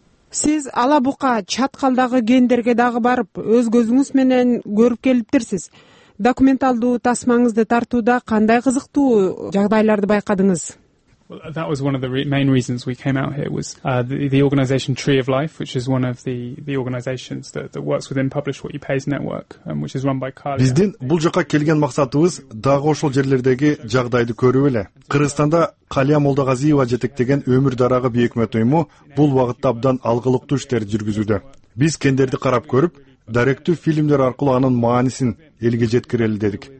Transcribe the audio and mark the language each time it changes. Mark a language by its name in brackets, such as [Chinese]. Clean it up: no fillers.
[Kyrgyz] Сиз Ала Бука чаткалдагы кендерге дагы барып, өз көзүңүз менен көрүп келиптирсиз. Документалдуу тасмаңызды тартууда кандай кызыктуу жагдайларды байкадыңыз? [English] That was one of the main reasons we came out here was the organization Tree of Life, which is one of the organizations that works within Publish What You Pay's network and which is run by Cardia. [Kyrgyz] Биздин бул жака келген максатыбыз дагы ошол жерлердеги жагдайды көрүү эле. Кыргызстанда Калия Молдогазиева жетектеген Өмүр дарагы бейөкмөт уюму бул багытта абдан алгылыктуу иштер жүргүзүүдө. Биз кендерди карап көрүп, даректүү фильмдер аркылуу анын маанисин элге жеткирели дедик.